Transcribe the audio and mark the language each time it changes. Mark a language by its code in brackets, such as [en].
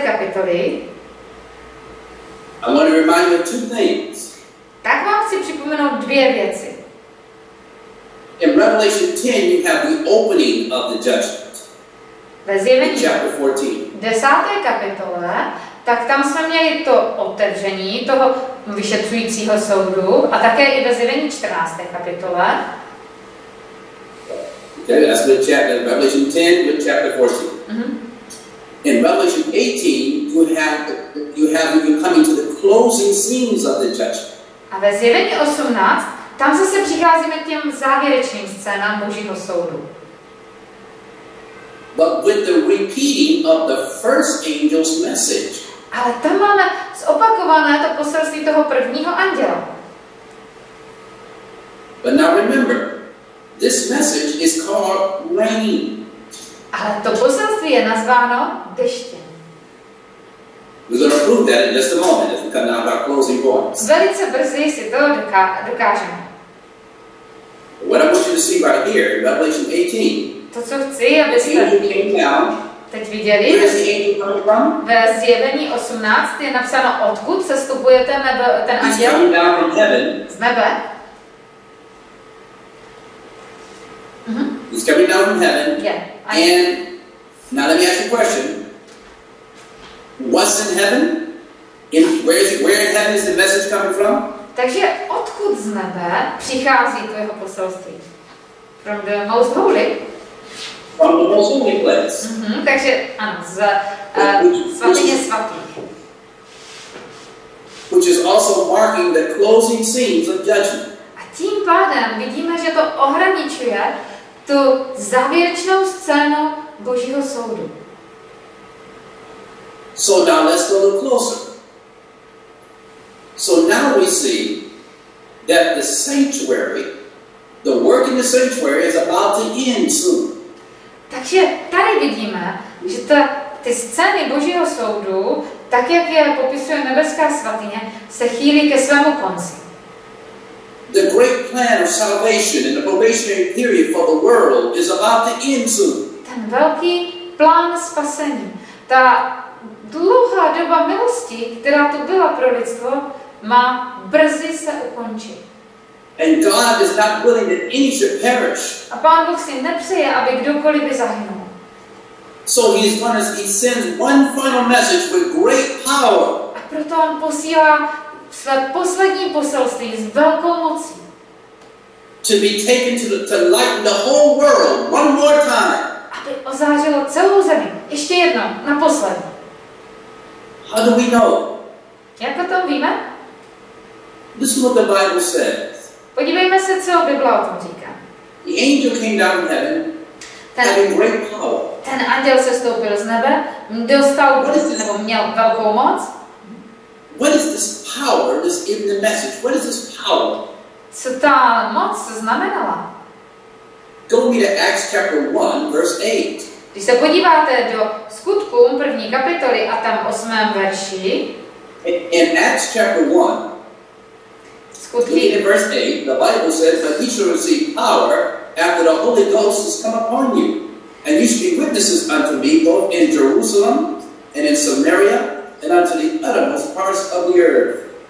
[cs] kapitoly. [en] I want to remind you two things. [cs] Tak vám chci připomenout dvě věci. [en] In Revelation 10 you have the opening of the judgment. [cs] Ve Zjevení 10. kapitole, tak tam jsme měli to otevření toho vyšetřujícího soudu a také i ve Zjevení 14. kapitole. [en] Okay, that's the chapter in Revelation 10 with chapter 14. Mm-hmm. In Revelation 18, you have coming to the closing scenes of the judgment. [cs] A ve Zjevení 18, tam zase přicházíme k těm závěrečným scénám Božího soudu. [en] But with the repeating of the first angel's message. [cs] Ale tam máme zopakované to poselství toho prvního anděla. [en] But now remember, this message is called rain. [cs] Ale to poselství je nazváno deštěm. [en] We're going to prove that in just a moment if we come down to our closing points. [cs] Velice brzy si to dokážeme. [en] What I want you to see right here in Revelation 18. [cs] To, co chci, abyste teď viděli, ve Zjevení 18 je napsáno, odkud sestupuje ten anděl z nebe. [en] He's coming down from heaven. Yeah. And now let me ask you a question. What's in heaven? Where in heaven is the message coming from? [cs] Takže odkud z nebe přichází to jeho poselství? [en] From the most holy. From the most holy place. [cs] Mm-hmm, takže ano, svatyně svatých. [en] Which is also marking the closing scenes of judgment. [cs] A tím pádem vidíme, že to ohraničuje tu závěrečnou scénu Božího soudu. [en] So now let's go a little closer. So now we see that the sanctuary, the work in the sanctuary is about to end soon. [cs] Takže tady vidíme, že ty scény Božího soudu, tak jak je popisuje nebeská svatyně, se chýlí ke svému konci. [en] The great plan of salvation and the probationary period for the world is about to end soon. [cs] Ten velký plán spasení, ta dlouhá doba milosti, která tu byla pro lidstvo, má brzy se ukončit. [en] And God is not willing that any should perish. [cs] A Pán Bůh si nepřeje, aby kdokoliv by zahynul. [en] So he sends one final message with great power. [cs] A proto on posílá své poslední poselství s velkou mocí. [en] To be taken to lighten the whole world one more time. [cs] Aby ozářilo celou zemi. Ještě jedno, naposled. [en] How do we know? [cs] Jak o tom víme? [en] This is what the Bible says. [cs] Podívejme se, co Bible o tom říká. [en] The angel came down from heaven, having great power. [cs] Ten anděl se stoupil z nebe, dostal, měl velkou moc. [en] What is this power? This in the message. What is this power? [cs] Co ta moc znamenala? [en] Go to Acts chapter 1, verse 8. [cs] Když se podíváte do skutků první kapitoly a tam 8. verši. [en] In Acts chapter 1. [cs] Skutky. [en] In verse 8, the Bible says that you shall receive power after the Holy Ghost has come upon you. And you shall be witnesses unto me both in Jerusalem and in Samaria and unto the uttermost parts of the earth.